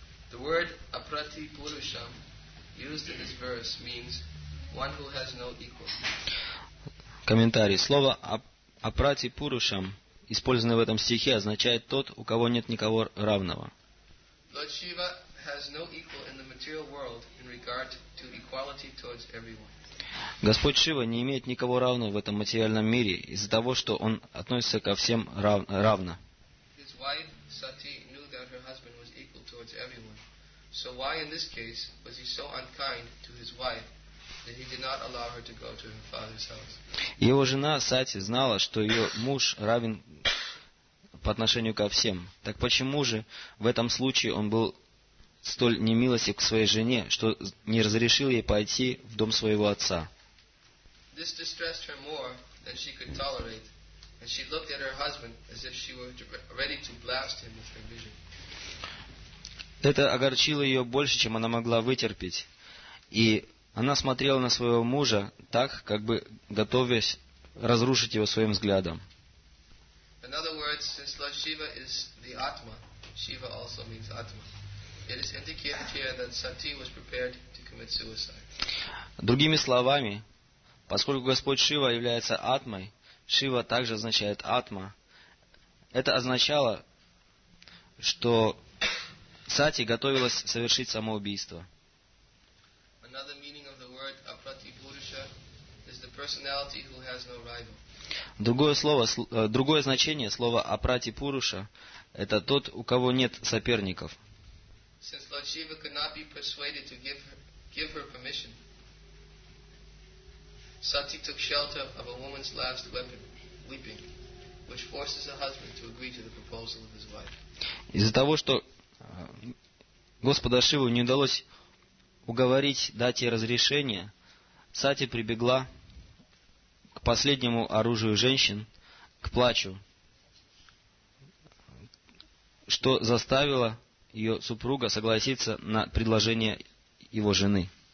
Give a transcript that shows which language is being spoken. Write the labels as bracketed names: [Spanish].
[English] The word aprati purusham used in this verse means one who has no equal. [Russian] Комментарий. Слово апрати пурушам, использованное в этом стихе, означает тот, у кого нет никого равного. [English] Lord Shiva has no equal in the material world in regard to equality towards everyone. [Russian] Господь Шива не имеет никого равного в этом материальном мире из-за того, что он относится ко всем равно. [English] His wife Sati knew that her husband was equal towards everyone. So why in this case was he so unkind to his wife that he did not allow her to go to her father's house? [Russian] Его жена Сати знала, что ее муж равен по отношению ко всем. Так почему же в этом случае он был столь немилостив к своей жене, что не разрешил ей пойти в дом своего отца? [English] This distressed her more than she could tolerate, and she looked at her husband as if she were ready to blast him with her vision. [Russian] Это огорчило ее больше, чем она могла вытерпеть. И она смотрела на своего мужа так, как бы готовясь разрушить его своим взглядом. [English] In other words, since Lord Shiva is the Atma, Shiva also means Atma, it is indicated here that Sati was prepared to commit suicide. [Russian] Другими словами, поскольку Господь Шива является Атмой, Шива также означает Атма, это означало, что Сати готовилась совершить самоубийство. [English] Another meaning of the word aprati purusha is the personality who has no rival. [Russian] Другое значение слова aprati purusha — это тот, у кого нет соперников. [English] Since Lord Shiva could not be persuaded to give her permission, Sati took shelter of a woman's last weapon, weeping, which forces a husband to agree to the proposal of his wife. [Russian] Из-за того, что Господа Шиву не удалось уговорить дать ей разрешение, Сати прибегла к последнему оружию женщин, к плачу, что заставило ее супруга согласиться на предложение его жены.